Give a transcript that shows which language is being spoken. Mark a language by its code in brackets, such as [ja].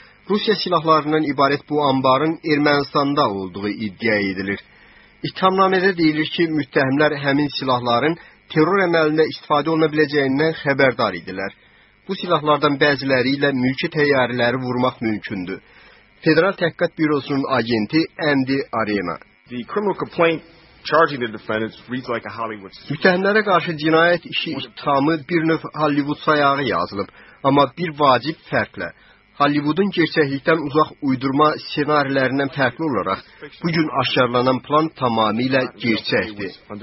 [az] Rusiya silahlarından ibarət bu ambarın Ermənistanda olduğu iddia edilir. İttihamnamədə deyilir ki, müttəhimlər həmin silahların terror əməlində istifadə oluna biləcəyindən xəbərdar idilər. Bu silahlardan bəziləri ilə mülki təyyarələri vurmaq mümkündür. Federal Təhqiqat Bürosunun agenti Andy Arena. [en] The criminal complaint charging the defendants reads like a Hollywood story. [az] Mütəhəmmələrə qarşı cinayət işi ittihamı bir növ Hollywood sayağı yazılıb, amma bir vacib fərqlə. Hollywood'un gerçəklikdən uzaq uydurma ssenarilərindən fərqli olaraq, bu gün aşkarlanan plan tamamilə gerçəkdir.